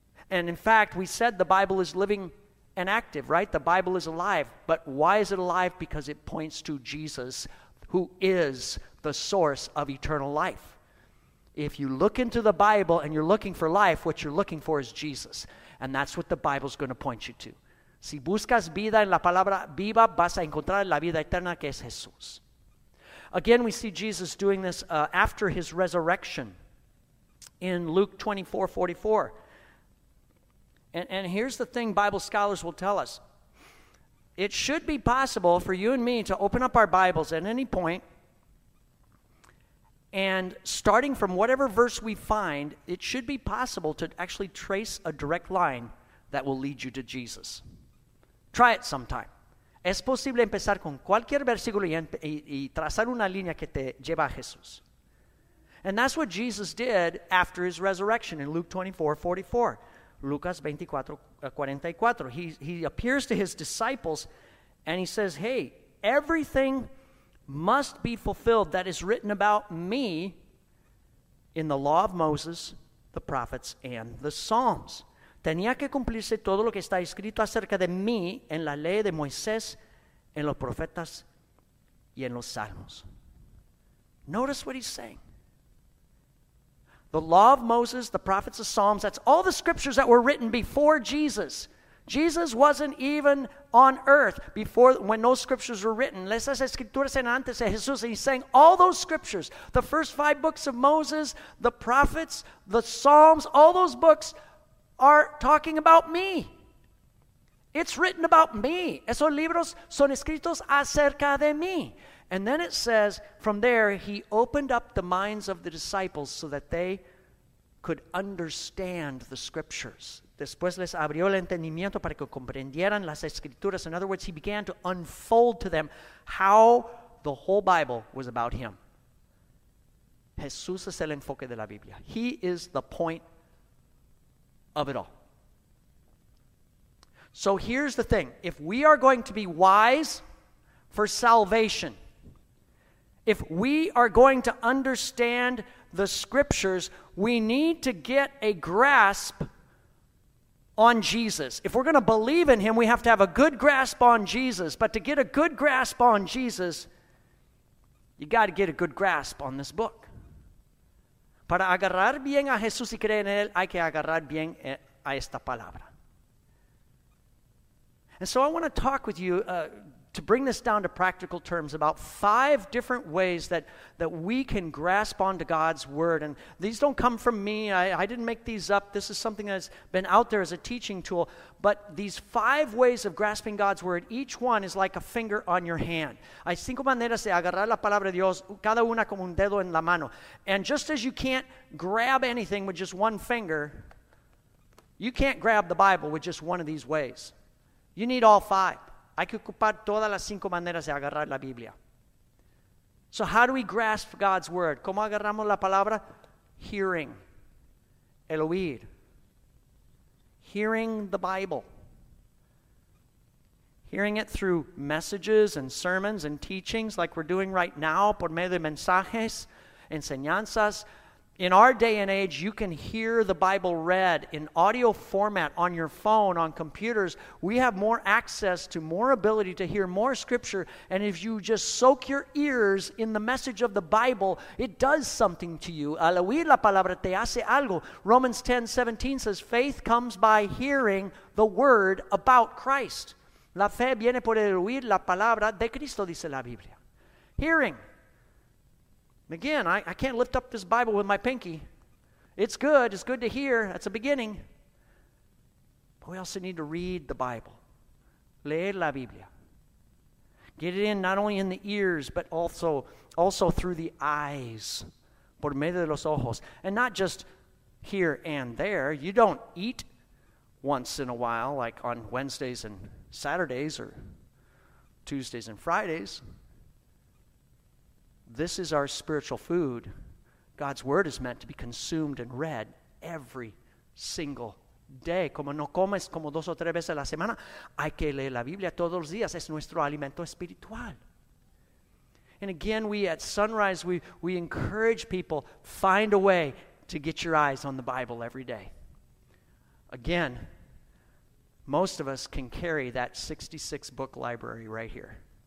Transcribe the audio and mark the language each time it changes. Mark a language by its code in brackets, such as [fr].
[en] And in fact, we said the Bible is living and active, right? The Bible is alive. But why is it alive? Because it points to Jesus, who is the source of eternal life. If you look into the Bible and you're looking for life, what you're looking for is Jesus. And that's what the Bible's going to point you to. [es] Si buscas vida en la palabra viva, vas a encontrar la vida eterna que es Jesús. [en] Again, we see Jesus doing this after his resurrection in Luke 24:44. And here's the thing Bible scholars will tell us. It should be possible for you and me to open up our Bibles at any point, and starting from whatever verse we find, it should be possible to actually trace a direct line that will lead you to Jesus. Try it sometime. [es] Es posible empezar con cualquier versículo y trazar una línea que te lleva a Jesús. [en] And that's what Jesus did after his resurrection in Luke 24:44. [es] Lucas 24:44. [en] He appears to his disciples and he says, "Hey, everything must be fulfilled that is written about me in the law of Moses, the prophets, and the Psalms." [es] Tenía que cumplirse todo lo que está escrito acerca de mí en la ley de Moisés, en los profetas, y en los salmos. [en] Notice what he's saying. The law of Moses, the prophets, the Psalms, that's all the scriptures that were written before Jesus. Jesus wasn't even on earth before when those scriptures were written. [es] Esas escrituras eran antes de Jesús. [en] And he's saying all those scriptures, the first five books of Moses, the prophets, the Psalms, all those books are talking about me. It's written about me. [es] Esos libros son escritos acerca de mí. [en] And then it says, from there, he opened up the minds of the disciples so that they could understand the scriptures. [es] Después les abrió el entendimiento para que comprendieran las escrituras. [en] In other words, he began to unfold to them how the whole Bible was about him. [es] Jesús es el enfoque de la Biblia. [en] He is the point of it all. So here's the thing. If we are going to be wise for salvation, if we are going to understand the scriptures, we need to get a grasp on Jesus. If we're going to believe in him, we have to have a good grasp on Jesus. But to get a good grasp on Jesus, you got to get a good grasp on this book. [es] Para agarrar bien a Jesús y creer en él, hay que agarrar bien a esta palabra. [en] And so I want to talk with you, to bring this down to practical terms, about five different ways that we can grasp onto God's word. And these don't come from me. I didn't make these up. This is something that's been out there as a teaching tool. But these five ways of grasping God's word, each one is like a finger on your hand. [es] Hay cinco maneras de agarrar la palabra de Dios, cada una como un dedo en la mano. [en] And just as you can't grab anything with just one finger, you can't grab the Bible with just one of these ways. You need all five. [es] Hay que ocupar todas las cinco maneras de agarrar la Biblia. [en] So how do we grasp God's word? [es] ¿Cómo agarramos la palabra? [en] Hearing. [es] El oír. [en] Hearing the Bible. Hearing it through messages and sermons and teachings like we're doing right now, [es] por medio de mensajes, enseñanzas. [en] In our day and age, you can hear the Bible read in audio format on your phone, on computers. We have more access to more ability to hear more scripture. And if you just soak your ears in the message of the Bible, it does something to you. [es] Al oír la palabra te hace algo. [en] Romans 10:17 says, faith comes by hearing the word about Christ. [es] La fe viene por el oír la palabra de Cristo, dice la Biblia. [en] Hearing. Again, I can't lift up this Bible with my pinky. It's good. It's good to hear. That's a beginning. But we also need to read the Bible. [es] Leer la Biblia. [en] Get it in not only in the ears, but also through the eyes. [es] Por medio de los ojos. [en] And not just here and there. You don't eat once in a while, like on Wednesdays and Saturdays or Tuesdays and Fridays. This is our spiritual food. God's word is meant to be consumed and read every single day. [es] Como no comes como dos o tres veces a la semana, hay que leer la Biblia todos los días. Es nuestro alimento espiritual. [en] And again, we at Sunrise, we encourage people, find a way to get your eyes on the Bible every day. Again, most of us can carry that 66 book library right here.